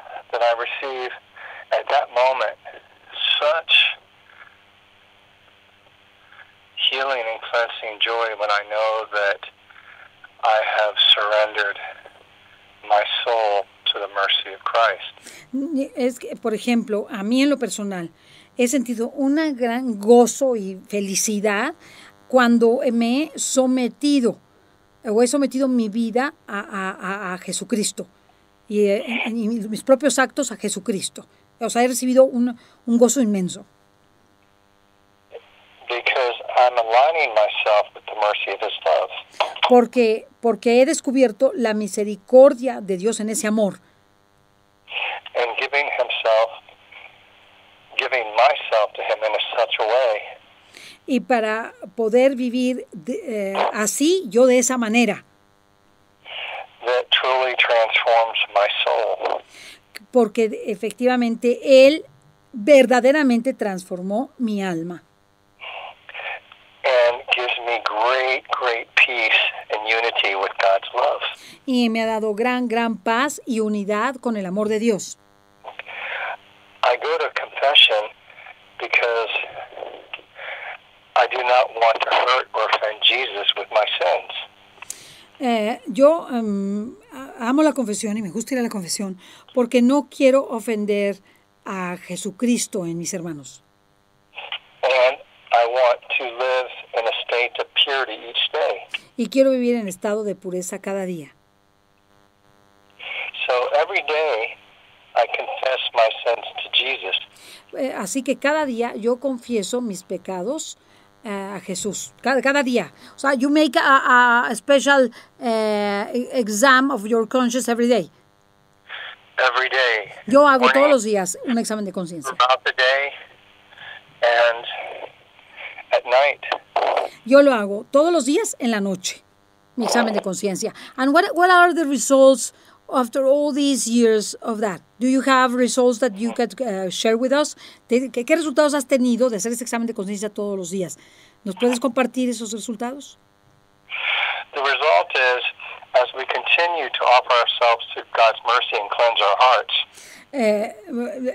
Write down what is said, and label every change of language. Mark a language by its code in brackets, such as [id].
[en] that I receive at that moment such healing and cleansing joy when I know that I have surrendered my soul. The mercy of Christ. [es] Es que, por ejemplo, a mí en lo personal he sentido un gran gozo y felicidad cuando me he sometido o he sometido mi vida a Jesucristo y mis propios actos a Jesucristo. O sea, he recibido un gozo inmenso. [en] Because I'm aligning myself with the mercy of his love. [es] Porque he descubierto la misericordia de Dios en ese amor. [en] And giving himself, giving myself to him in such a way. [es] Y para poder vivir así, yo de esa manera. [en] That truly transforms my soul. [es] Porque efectivamente él verdaderamente transformó mi alma. [en] And gives me great, great peace and unity with God's love. [es] Y me ha dado gran, gran paz y unidad con el amor de Dios. [en] I go to confession because I do not want to hurt or offend Jesus with my sins. [es] Yo amo la confesión y me gusta ir a la confesión porque no quiero ofender a Jesucristo en mis hermanos. [en] And I want to live in a state of purity each day. [es] Y quiero vivir en estado de pureza cada día. [en] So every day I confess my sins to Jesus. [es] Así que cada día yo confieso mis pecados a Jesús, cada día. O sea, [en] you make a special exam of your conscience every day. Every day. [es] Yo hago todos los días un examen de conciencia. [en] Throughout the day and at night. [es] Yo lo hago todos los días en la noche, mi examen de conciencia. [en] And what are the results after all these years of that? Do you have results that you could share with us? [es] ¿Qué resultados has tenido de hacer ese examen de conciencia todos los días? ¿Nos puedes compartir esos resultados? [en] The result is, as we continue to offer ourselves to God's mercy and cleanse our hearts.